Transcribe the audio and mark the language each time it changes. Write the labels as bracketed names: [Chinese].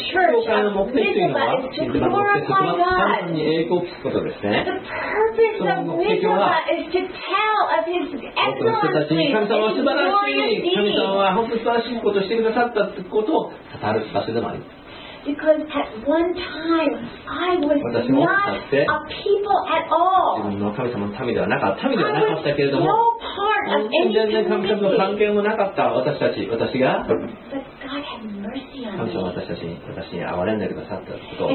[Japanese] 教会の目的というのは、神様の目的は神に栄光を聞くことですね。その目的は、僕の人たちに神様は素晴らしい、神様は本当に素晴らしいことをしてくださったということを語る場所でもあります。 [English] Because at one time I was not a people at all. [Japanese] 自分の神様の民ではなかった、民ではなかったけれども、 [English] no、part of any [Japanese] 全然神様の関係もなかった私たち、私が。 [English] But God had mercy on me. [Japanese] 神様は私に憐れんでくださったことを